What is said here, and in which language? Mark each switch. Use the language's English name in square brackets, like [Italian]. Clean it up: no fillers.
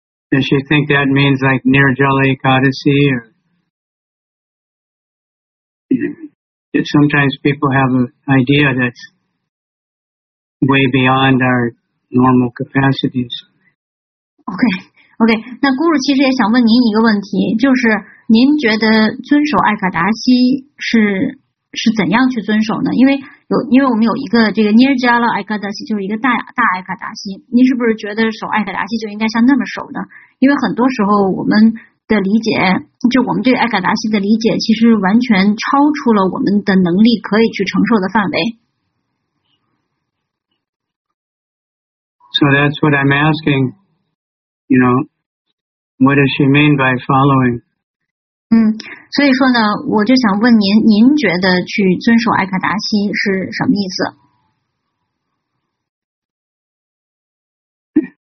[English] Does she think that means like Nirjala Ekadasi? Or... Sometimes people have an idea that's way beyond our normal capacities. Okay. [Chinese] 那 Guru 其实也想问您一个问题，就是您觉得遵守艾卡达西是怎样去遵守呢？因为我们有一个这个 Nirjala Ekadasi， 就是一个大艾卡达西。您是不是觉得守艾卡达西就应该像那么守呢？因为很多时候我们的理解，就我们对艾卡达西的理解，其实完全超出了我们的能力可以去承受的范围。 [English] So that's what I'm asking. You know, what does she mean by following? [Chinese] 所以说呢，我就想问您，您觉得去遵守艾卡达西是什么意思